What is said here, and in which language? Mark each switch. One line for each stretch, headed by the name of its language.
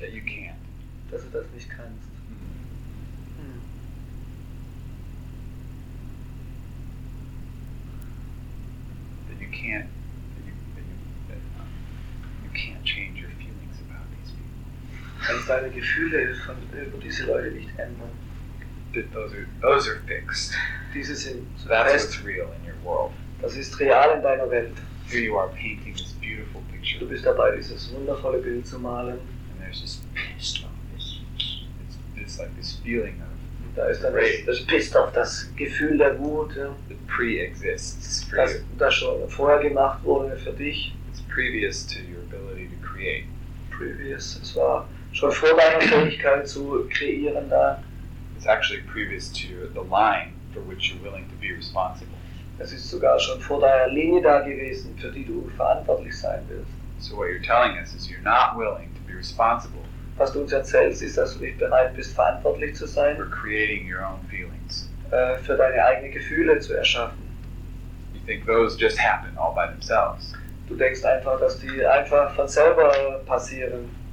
English: That you can't.
German: Dass du das nicht kannst.
English: That you can't. That you can't change your feelings about these people.
German: Kannst deine Gefühle von über diese Leute nicht ändern.
English: That those are fixed.
German: Diese sind.
English: So that's real in your world.
German: Das ist real in deiner Welt.
English: Here you are painting this beautiful picture.
German: Du bist dabei, dieses wundervolle Bild zu malen.
English: And there's this pissed off. It's like this feeling of
German: da ist dann das
English: pissed off,
German: das Gefühl der Wut.
English: It pre-exists for
German: das,
English: you.
German: Das schon vorher gemacht wurde für dich.
English: It's previous to your ability to create.
German: Previous, es war schon vor deiner Fähigkeit zu kreieren da.
English: It's actually previous to the line for which you're willing to be responsible.
German: Es ist sogar schon vor deiner Linie da gewesen, für die du verantwortlich sein wirst.
English: So what you're telling us is you're not willing to be responsible.
German: Was du uns erzählst, ist, dass du nicht bereit bist, verantwortlich zu sein.
English: For creating your own feelings.
German: Für deine eigenen Gefühle zu erschaffen.
English: You think those just happen all by themselves.
German: Du denkst einfach, dass die einfach von selber passieren.